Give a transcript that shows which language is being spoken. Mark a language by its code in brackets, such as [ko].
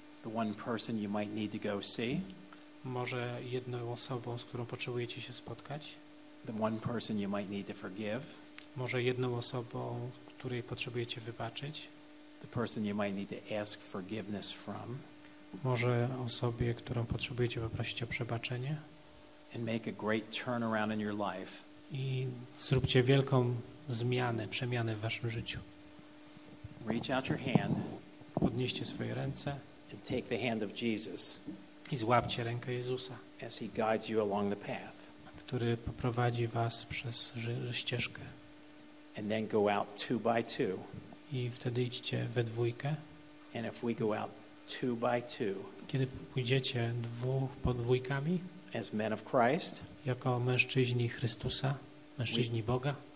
[en] The one person you might need to go see. [pl] Może jedną osobą, z którą potrzebujecie się spotkać. [en] The one person you might need to forgive. [pl] Może jedną osobą, której potrzebujecie wybaczyć. [en] The person you might need to ask forgiveness from. [pl] Może osobie, którą potrzebujecie poprosić o przebaczenie. [en] And make a great turnaround in your life. [pl] I zróbcie wielką przemianę w waszym życiu. [en] Reach out your hand. [pl] Podnieście swoje ręce. [en] And take the hand of Jesus. [pl] I złapcie rękę Jezusa, [en] as he guides you along the path. [pl] Który poprowadzi was przez ścieżkę. [en] And then go out two by two. [pl] I wtedy idźcie we dwójkę. [en] And if we go out two by two, [pl] kiedy pójdziecie podwójkami, [en] as men of Christ, [pl] jako mężczyźni Chrystusa, mężczyźni Boga,